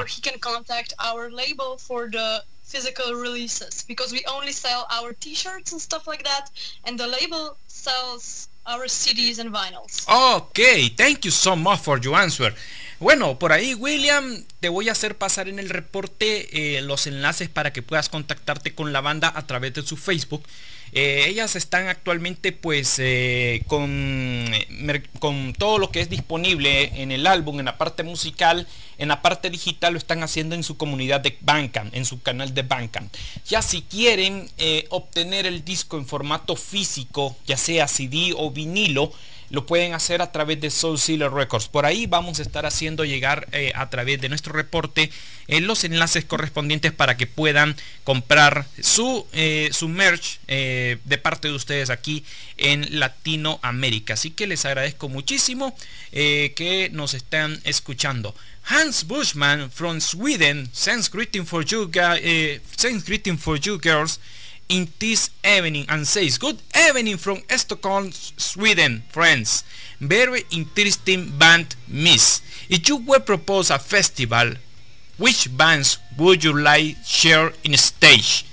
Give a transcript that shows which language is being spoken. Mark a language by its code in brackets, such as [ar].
[en] Or he can contact our label for the physical releases, because we only sell our t-shirts and stuff like that, and the label sells our CDs and vinyls. Okay, thank you so much for your answer. [es] Bueno, por ahí, William, te voy a hacer pasar en el reporte los enlaces para que puedas contactarte con la banda a través de su Facebook. Ellas están actualmente pues con todo lo que es disponible en el álbum, en la parte musical, en la parte digital, lo están haciendo en su comunidad de Bandcamp, en su canal de Bandcamp. Ya si quieren obtener el disco en formato físico, ya sea CD o vinilo, lo pueden hacer a través de Soul Sealer Records. Por ahí vamos a estar haciendo llegar a través de nuestro reporte los enlaces correspondientes para que puedan comprar su, su merch de parte de ustedes aquí en Latinoamérica. Así que les agradezco muchísimo que nos estén escuchando. [en] Hans Bushman from Sweden sends greeting for you guys, sends greeting for you girls in this evening and says good evening from Stockholm, Sweden, friends. Very interesting band, Miss. If you were propose a festival, which bands would you like share in a stage?